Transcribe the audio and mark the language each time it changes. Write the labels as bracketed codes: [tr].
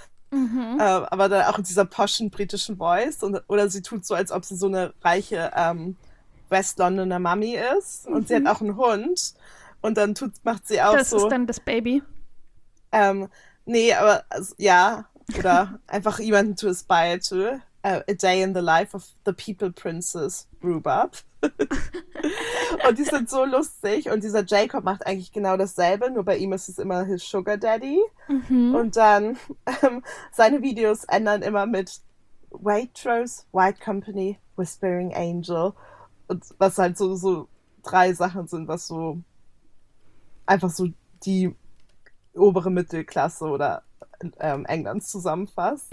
[de] Aber dann auch in dieser poschen britischen Voice. Oder sie tut so, als ob sie so eine reiche West Londoner Mami ist. Und sie hat auch einen Hund. Und dann macht sie auch Das ist so, dann das Baby. nee, aber also, ja, oder einfach jemanden [en] to aspire to. A day in the life of the People Princess Rhubarb. [de] Und die sind so lustig. Und dieser Jacob macht eigentlich genau dasselbe, nur bei ihm ist es immer [en] his Sugar Daddy. [de] Und dann seine Videos ändern immer mit Waitrose, White Company, Whispering Angel. Und was halt so drei Sachen sind, was so einfach so die obere Mittelklasse oder Englands zusammenfasst.